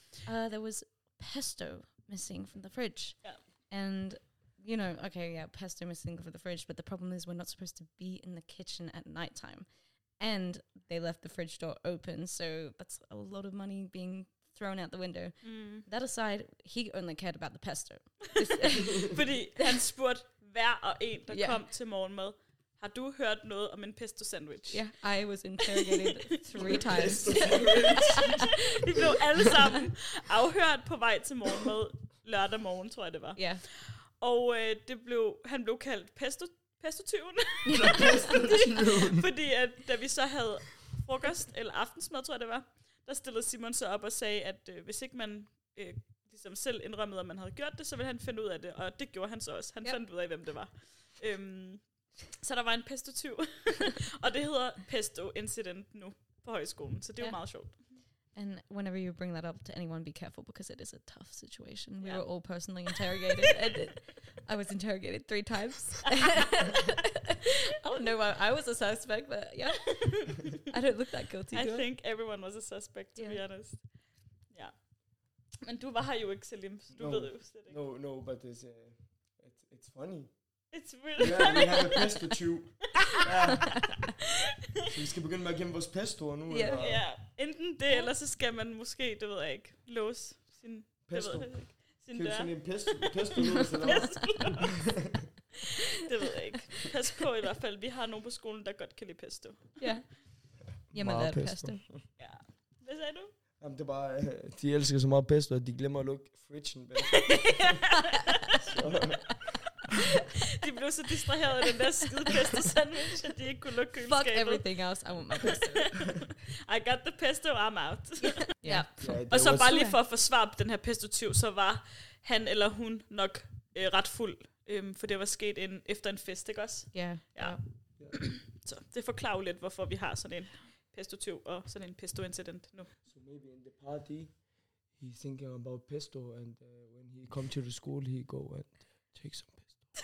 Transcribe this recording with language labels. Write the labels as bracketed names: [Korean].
[English] There was pesto missing from the fridge. Yeah. And, you know, okay, yeah, pesto missing from the fridge, but the problem is we're not supposed to be in the kitchen at nighttime. And they left the fridge door open, so that's a lot of money being thrown out the window. Mm. That aside, he only cared about the pesto. [Danish] Fordi han spurgte hver og en, der kom til morgenmad, har du hørt noget om en pesto sandwich? [English] Yeah, I was interrogated 3 times. [Danish] Vi blev alle sammen afhørt på vej til morgenmad lørdag morgen, tror jeg det var. [English] Yeah. [Danish] Og han blev kaldt pesto-tyven. Fordi at da vi så havde frokost eller aftensmad, tror jeg det var, der stillede Simon så op og sagde, at hvis ikke man ligesom selv indrømmede, at man havde gjort det, så ville han finde ud af det. Og det gjorde han så også. Han fandt ud af, hvem det var. Så der var en pesto-tyv. Og det hedder pesto-incident nu på højskolen. Så det var meget sjovt. [English] And whenever you bring that up to anyone, be careful, because it is a tough situation. Yeah. We were all personally interrogated. And I was interrogated 3 times. I don't know why I was a suspect, but yeah. I don't look that guilty. I think everyone was a suspect, to be honest. [Danish] Yeah. Men du var her jo ikke, Salim. Du ved jo slet ikke. [English] No, but it's funny. It's really funny. Yeah, we have a pesto tube. [Danish] Så vi skal begynde med at gemme vores pestoer nu? Ja, enten det, eller så skal man måske, det ved jeg ikke, låse sin pesto. ved jeg ikke, sin dør. Kan vi finde en pesto-lås, eller hvad? Det ved jeg ikke. Pas på i hvert fald, vi har nogen på skolen, der godt kan lide pesto. Ja. Jamen, der er pesto. Ja. Hvad sagde du? Jamen, det er bare, de elsker så meget pesto, at de glemmer at lukke fridgen. Så. De blev så distraheret af den der skide pesto sandwich, at de ikke kunne lukke køleskabet. [English] Fuck everything else, I want my pesto. I got the pesto, I'm out. Yeah. [Danish] Og så bare lige for at forsvare den her pesto-tyv, så var han eller hun nok ret fuld, for det var sket efter en fest, ikke også? [English] Yeah. [Danish] Ja. Så det forklarer lidt, hvorfor vi har sådan en pesto tyv og sådan en pesto incident nu. [English] So maybe in the party, he's thinking about pesto, and when he come to the school, he go and take some pesto.